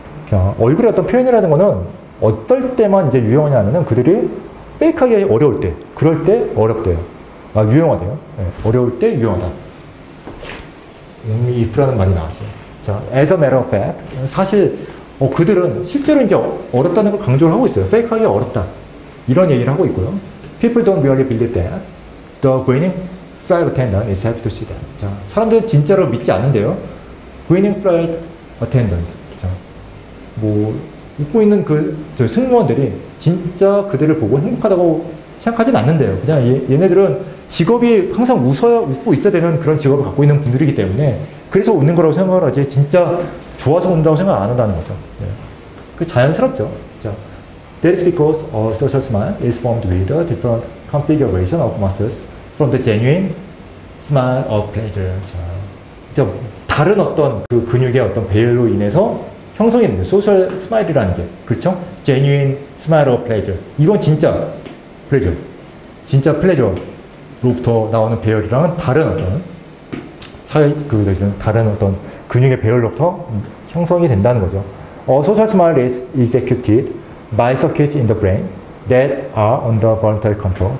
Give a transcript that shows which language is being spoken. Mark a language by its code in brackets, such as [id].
[ko] 자, 얼굴의 어떤 표현이라는 거는 어떨 때만 이제 유용하냐면은 그들이 페이크하기 어려울 때, 그럴 때 어렵대요. 아, 유용하대요. 네, 어려울 때 유용하다. if라는 말이 나왔어요. 자, [en] as a matter of fact, [ko] 사실 그들은 실제로 이제 어렵다는 걸 강조를 하고 있어요. 페이크하기 어렵다. 이런 얘기를 하고 있고요. [en] People don't really believe that. The grinning flight attendant is happy to see that. [ko] 자, 사람들은 진짜로 믿지 않는데요. [en] Grinning flight attendant. [ko] 자, 뭐 입고 있는 그 저 승무원들이 진짜 그들을 보고 행복하다고 생각하진 않는데요. 그냥 얘네들은 직업이 항상 웃어야 웃고 있어야 되는 그런 직업을 갖고 있는 분들이기 때문에 그래서 웃는 거라고 생각을 하지 진짜 좋아서 웃는다고 생각 안 한다는 거죠. 네. 그 자연스럽죠. [en] 자, That is because a social smile is formed with a different configuration of muscles from the genuine smile of pleasure. [ko] 자, 다른 어떤 그 근육의 어떤 배열로 인해서 형성했는데 소셜 스마일이라는 게 그렇죠? [en] Genuine smile of pleasure. [ko] 이건 진짜 [en] pleasure. [ko] 진짜 pleasure로부터 나오는 배열이랑은 다른 어떤 다른 어떤 근육의 배열로부터 형성이 된다는 거죠. [en] A social smile is executed by circuits in the brain that are under voluntary control.